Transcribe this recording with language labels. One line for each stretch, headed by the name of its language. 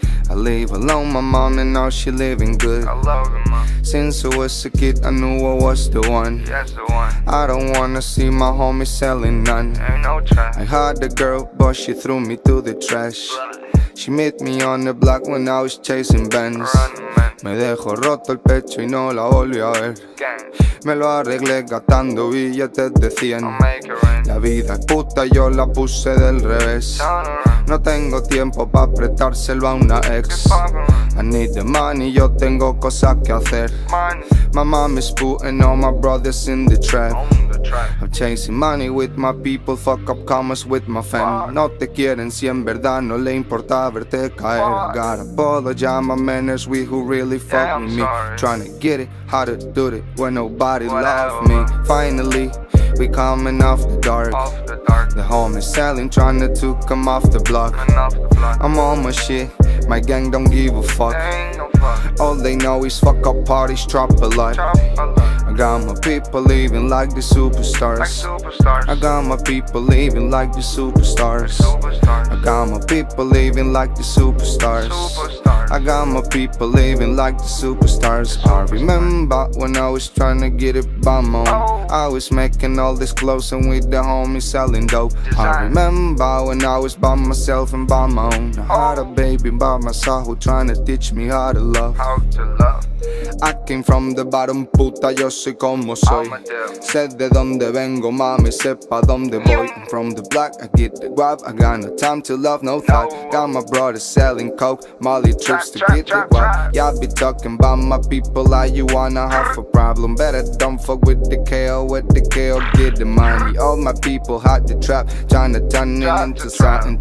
English: I live alone, my mom, and now she living good. I love you, mom. Since I was a kid, I knew I was the one. Yes, the one. I don't wanna see my homie selling none. Ain't no trash. I had a girl, but she threw me to the trash. She met me on the block when I was chasing bands.
Spanish: Me dejó roto el pecho y no la volví a ver. Me lo arreglé gastando billetes de 100. La vida es puta, yo la puse del revés. No tengo tiempo pa' prestárselo a una ex.
English: I need the money,
Spanish: yo tengo cosas que hacer.
English: My mom is putting all my brothers in the trap. I'm chasing money with my people, fuck up commas with my fam.
Spanish: No te quieren si en verdad no le importa verte caer.
English: I got a bottle, ya my man is we who really fuck yeah, me. Trying to get it, how to do it when nobody love me. Finally, we coming off the dark. The homies selling, trying to come off the block. I'm on my shit, my gang don't give a fuck. All they know is fuck up parties, drop a lot. I got my people living like the superstars. I got my people living like the superstars. I got my people living like the superstars. I got my people living like the superstars. I remember when I was trying to get it by my own. I was making all this clothes and with the homies selling dope. I remember when I was by myself and by my own. I had a baby by my side who trying to teach me how to love. I came from the bottom,
Spanish: puta, yo soy como soy. Sé de donde vengo, mami, sepa donde voy.
English: I'm from the block, I get the guap. I got no time to love, no thought. Got my brother selling coke, Molly trips to get the guap. Y'all be talking about my people like you wanna have a problem. Better don't fuck with the KO, with the KO, get the money. All my people hot the trap, tryna turn it into something.